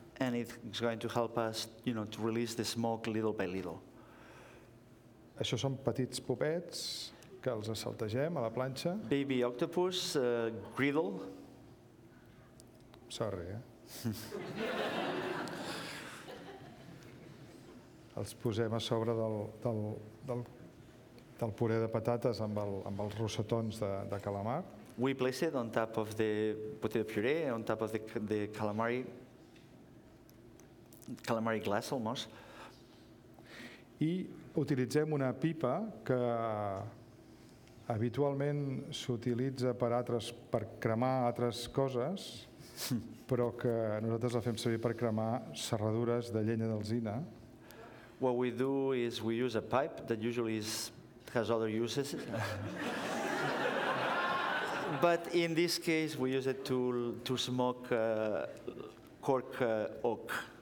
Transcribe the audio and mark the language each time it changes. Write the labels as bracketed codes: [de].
[en] And it's going to help us, you know, to release the smoke little by little. [ca] Això són petits popets que els assaltegem a la planxa. [en] Baby octopus, griddle. Sorry, eh? [ca] Els posem a sobre del puré de patates amb els rossetons de calamar. [en] We place it on top of the potato puree, on top of the calamari glass almost. [ca] I utilitzem una pipa que habitualment s'utilitza per cremar altres coses, però que nosaltres la fem servir per cremar serradures de llenya d'alzina. [en] What we do is we use a pipe that usually has other uses. But in this case, we use it to smoke cork oak.